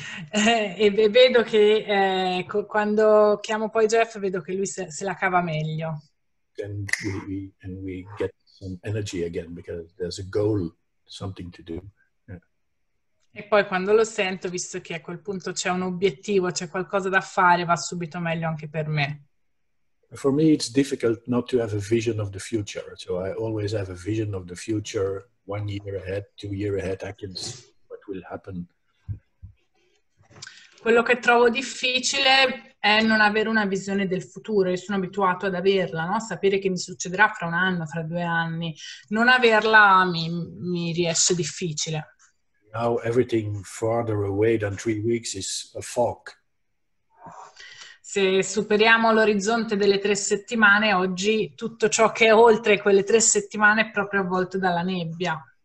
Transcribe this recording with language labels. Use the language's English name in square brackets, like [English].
[Italian] E vedo che quando chiamo poi Jeff, vedo che lui se la cava meglio. [English] And we get some energy again because there's a goal, something to do. [Italian] E poi quando lo sento, visto che a quel punto c'è un obiettivo, c'è qualcosa da fare, va subito meglio anche per me. [English] For me it's difficult not to have a vision of the future. So I always have a vision of the future, 1 year ahead, 2 years ahead, I can see what will happen. [Italian] Quello che trovo difficile è non avere una visione del futuro. Io sono abituato ad averla, no? Sapere che mi succederà fra 1 anno, fra 2 anni. Non averla mi riesce difficile. [English] Now everything farther away than 3 weeks is a fog. [Italian] Se superiamo l'orizzonte delle 3 settimane, oggi tutto ciò che è oltre quelle 3 settimane è proprio avvolto dalla nebbia.